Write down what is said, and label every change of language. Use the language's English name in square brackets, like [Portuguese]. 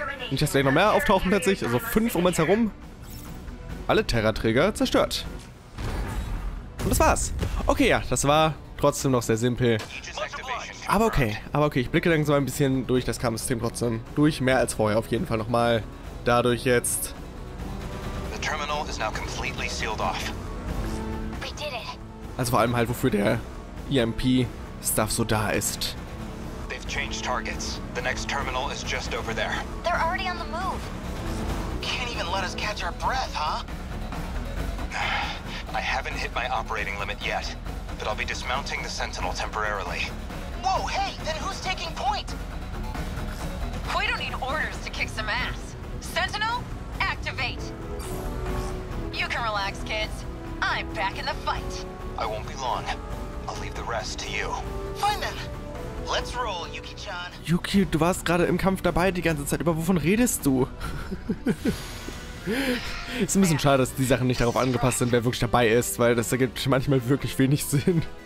[German] Nicht, dass gleich noch mehr auftauchen plötzlich. Also 5 um uns herum. Alle Terra-Träger zerstört. Und das war's. Okay, ja, das war trotzdem noch sehr simpel. Aber okay, ich blicke dann so ein bisschen durch das Kammersystem trotzdem durch, mehr als vorher auf jeden Fall nochmal. Dadurch jetzt. [English] The terminal is now completely sealed off. We did it. [German] Also vor allem halt, wofür der EMP-Stuff so da ist. [English] They've changed targets. The next terminal is just over there. They're already on the move. Can't even let us catch our breath, huh? I haven't hit my operating limit yet, but I'll be dismounting the Sentinel temporarily. Whoa, hey, then who's taking point? Quato need orders to kick some ass. Sentinel, activate! You can relax, kids. I'm back in the fight. I won't be long. I'll leave the rest to you. Fine then. Let's roll, Yuki-chan. [German] Yuki, du warst gerade im Kampf dabei die ganze Zeit. Über wovon redest du? Ist ein bisschen schade, dass die Sachen nicht darauf angepasst sind, wer wirklich dabei ist, weil das ergibt manchmal wirklich wenig Sinn.